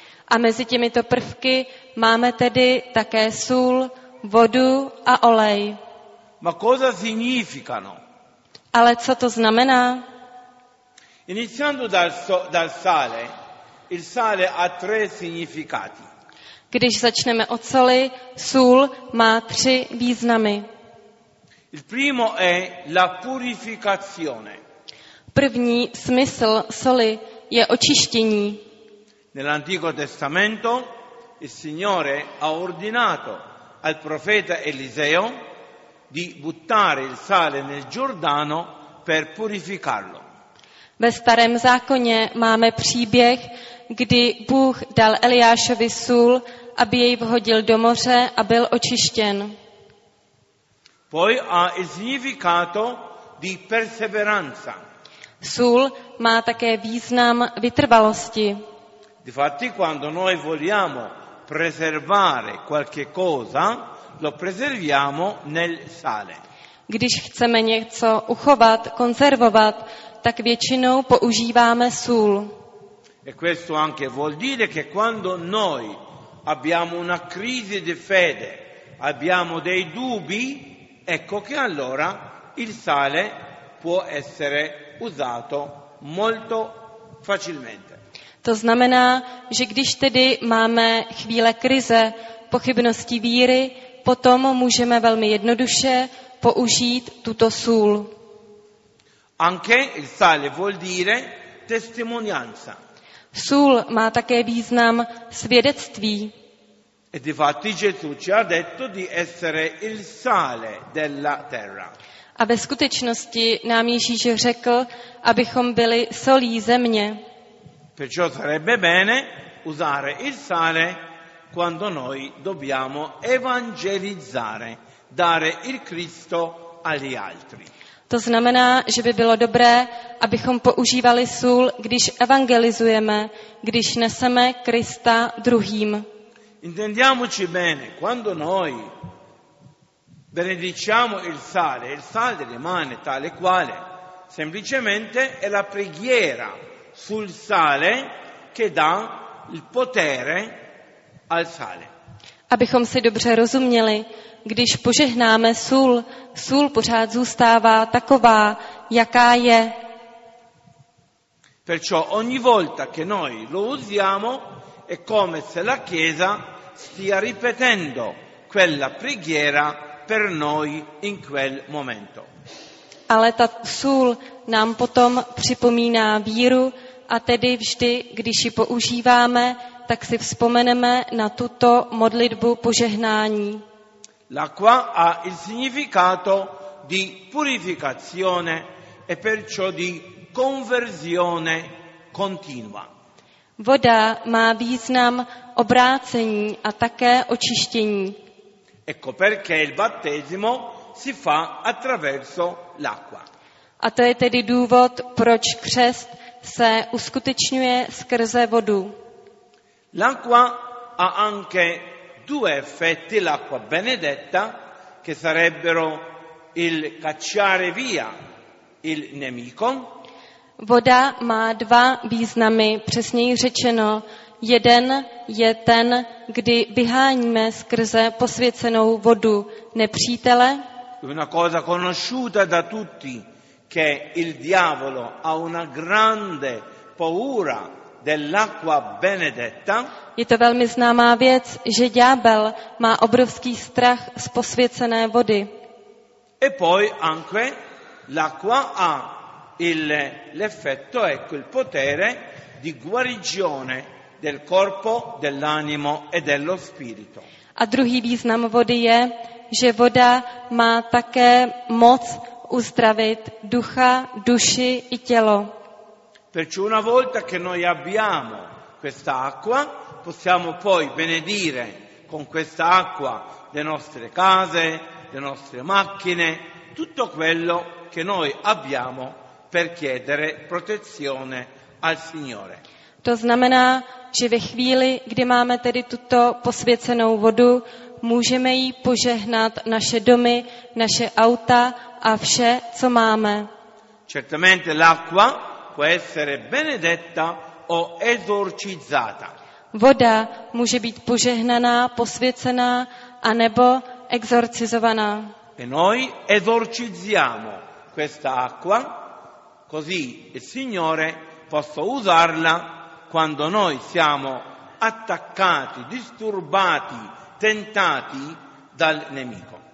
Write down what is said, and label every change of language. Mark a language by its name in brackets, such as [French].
[Czech] A mezi těmito prvky máme tedy také sůl, vodu a olej. [Italian] Ma cosa significano? [Czech] Ale co to znamená? [Italian] Iniziando dal sale, il sale ha tre significati. [Czech] Když začneme od soli, sůl má tři významy. [Italian] Il primo è la purificazione. [Czech] První smysl soli je očištění. [Italian] Nell'Antico Testamento il Signore ha ordinato al profeta Eliseo di buttare il sale nel Giordano per purificarlo. [Czech] Ve Starém zákoně máme příběh, kdy Bůh dal Eliášovi sůl, aby jej vhodil do moře a byl očištěn. [Italian] Poi ha il significato di perseveranza. [Czech] Sůl má také význam vytrvalosti. [Italian] Difatti, quando noi vogliamo preservare qualche cosa, lo preserviamo nel sale. [Czech] Když chceme něco uchovat, konzervovat, tak většinou používáme sůl. [Italian] E questo anche vuol dire che quando noi abbiamo una crisi di fede, abbiamo dei dubbi, ecco che allora il sale può essere usato molto facilmente. [Czech] To znamená, že když tedy máme chvíle krize, pochybnosti víry, potom můžeme velmi jednoduše použít tuto sůl. [Italian] Anche il sale vuol dire testimonianza. [Czech] Sůl má také význam svědectví. [Italian] E difatti Gesù ci ha detto di essere il sale della terra. [Czech] A ve skutečnosti nám Ježíš řekl, abychom byli solí země. [Italian] Perciò sarebbe bene usare il sale quando noi dobbiamo evangelizzare, dare il Cristo agli altri. [Czech] To znamená, že by bylo dobré, abychom používali sůl, když evangelizujeme, když neseme Krista druhým. [Italian] Intendiamoci bene, quando noi benediciamo il sale rimane tale quale, semplicemente è la preghiera sul sale che dà il potere al sale. [Czech] Abychom si dobře rozuměli, když požehnáme sůl, sůl pořád zůstává taková, jaká je. [Italian] Perciò ogni volta che noi lo usiamo è come se la Chiesa stia ripetendo quella preghiera per noi in quel momento. [Czech] Ale ta sůl nám potom připomíná víru, a tedy vždy, když ji používáme, tak si vzpomeneme na tuto modlitbu požehnání. [Italian] L'acqua ha il significato di purificazione e perciò di conversione continua. [Czech] Voda má význam obrácení a také očištění. [Italian] Ecco perché il battesimo si fa attraverso l'acqua. [Czech] A to je tedy důvod, proč křest se uskutečňuje skrze vodu. [Italian] L'acqua ha anche due effetti, l'acqua benedetta, che sarebbero il cacciare via il nemico. [Czech] Voda má dva významy, přesněji řečeno, jeden je ten, kdy vyháníme skrze posvěcenou vodu nepřítele. [Italian] Una cosa conosciuta da tutti, che il diavolo ha una grande paura dell'acqua benedetta. [Czech] Je to velmi známá věc, že ďábel má obrovský strach z posvěcené vody. [Italian] E poi anche l'acqua ha l'effetto, ecco, il potere di guarigione del corpo, dell'animo e dello spirito. [Czech] A druhý význam vody je, že voda má také moc uzdravit ducha, duši i tělo. [Italian] Perciò una volta che noi abbiamo questa acqua, possiamo poi benedire con questa acqua le nostre case, le nostre macchine, tutto quello che noi abbiamo per chiedere protezione al Signore. [Czech] To znamená, že ve chvíli, kdy máme tedy tuto posvěcenou vodu, můžeme jí požehnat naše domy, naše auta a vše, co máme. [Italian] Certamente l'acqua può essere benedetta o esorcizzata. [Czech] Voda může být požehnaná, posvěcená a nebo exorcizovaná. [Italian] E noi esorcizziamo questa acqua così il Signore possa usarla quando noi siamo attaccati, disturbati, tentati dal nemico.